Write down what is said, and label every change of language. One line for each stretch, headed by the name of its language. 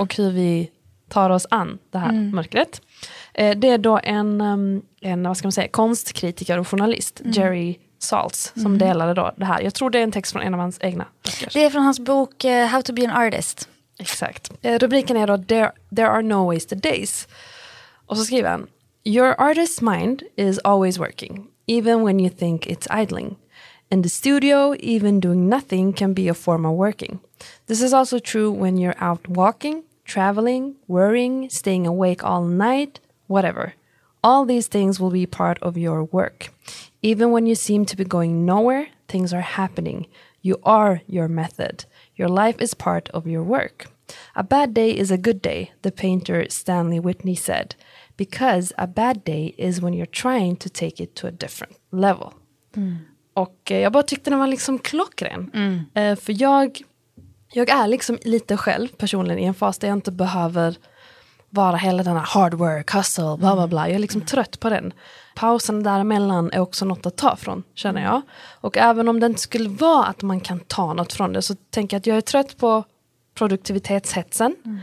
Swedish: Och hur vi tar oss an det här mörkret. Det är då en vad ska man säga, konstkritiker och journalist, Jerry Saltz, som delade då det här. Jag tror det är en text från en av hans egna böcker. Det är från hans bok
English: How to be an artist.
Swedish: Exakt. Rubriken är då
English: There are no wasted days.
Swedish: Och så skriver han,
English: your artist's mind is always working, even when you think it's idling. In the studio, even doing nothing can be a form of working. This is also true when you're out walking, traveling, worrying, staying awake all night, whatever. All these things will be part of your work. Even when you seem to be going nowhere, things are happening. You are your method. Your life is part of your work. A bad day is a good day, the painter Stanley Whitney said, because a bad day is when you're trying to take it to a different level. Mm.
Swedish: Och jag bara tyckte den var liksom klockren. Mm. För jag är liksom lite själv personligen i en fas där jag inte behöver vara hela den här
English: hard work, hustle,
Swedish: bla bla bla. Jag är liksom trött på den. Pausen däremellan är också något att ta från, känner jag. Och även om det inte skulle vara att man kan ta något från det, så tänker jag att jag är trött på produktivitetshetsen.